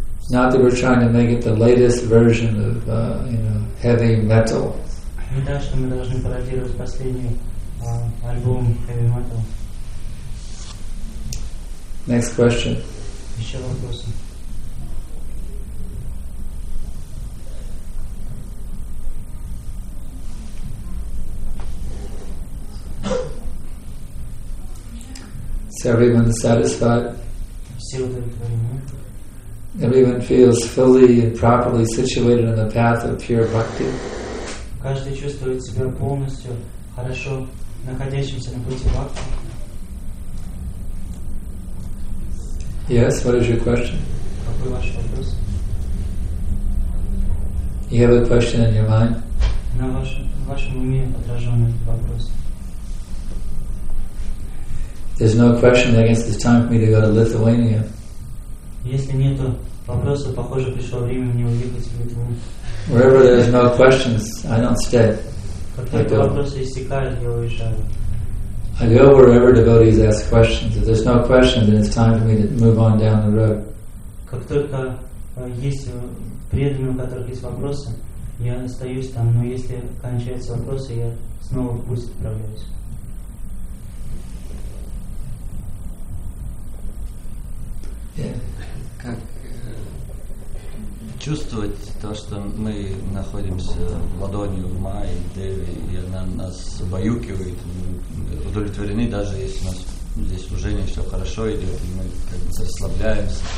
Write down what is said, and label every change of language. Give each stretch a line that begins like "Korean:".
English: Not that we're trying to make it the latest version of heavy metal.
Russian: Не так, что мы должны пародировать последний альбом heavy metal.
English: Next question.
Russian: Еще вопросы.
English: Is everyone satisfied?
Russian: Все удовлетворены.
English: Everyone feels fully and properly situated on the path of pure bhakti.
Russian: Каждый чувствует себя полностью хорошо находящимся на пути бхакти.
English: Yes, what is your question?
Russian: Какой ваш вопрос?
English: You have a question in your mind?
Russian: На вашем уме отражен этот вопрос.
English: There's no question that I guess it's time for me to go to Lithuania.
Russian: Если нет вопроса, похоже, пришло время мне уехать в Литву.
English: Wherever there's no questions, I don't stay. I go wherever devotees ask questions. If there's no question, then it's time for me to move on down the road.
Russian: Как только есть преданные, у которых есть вопросы, я остаюсь там. Но если кончаются вопросы, я снова в путь отправляюсь. Как чувствовать то, что мы находимся ладонью в Майе, в Деве, и она нас убаюкивает, удовлетворены, даже если у нас здесь уже не все хорошо идет, и мы как бы расслабляемся.